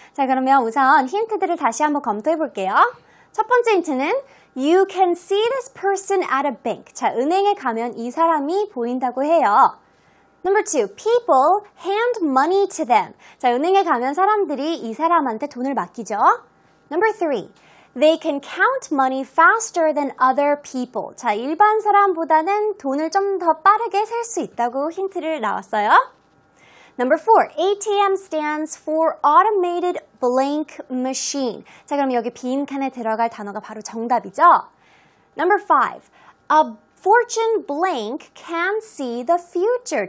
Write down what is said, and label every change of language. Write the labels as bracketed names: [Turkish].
[Korean] 자, 그러면 우선 힌트들을 다시 한번 검토해 볼게요. 첫 번째 힌트는 [English] You can see this person at a bank. [Korean] 자, 은행에 가면 이 사람이 보인다고 해요. [English] Number two, people hand money to them. [Korean] 자, 은행에 가면 사람들이 이 사람한테 돈을 맡기죠. [English] Number three, they can count money faster than other people. [Korean] 자, 일반 사람보다는 돈을 좀 더 빠르게 셀 수 있다고 힌트를 나왔어요. [English] Number four, ATM stands for Automated Blank Machine. [Korean] 자, 그럼 여기 빈 칸에 들어갈 단어가 바로 정답이죠. [English] Number five, a fortune blank can see the future.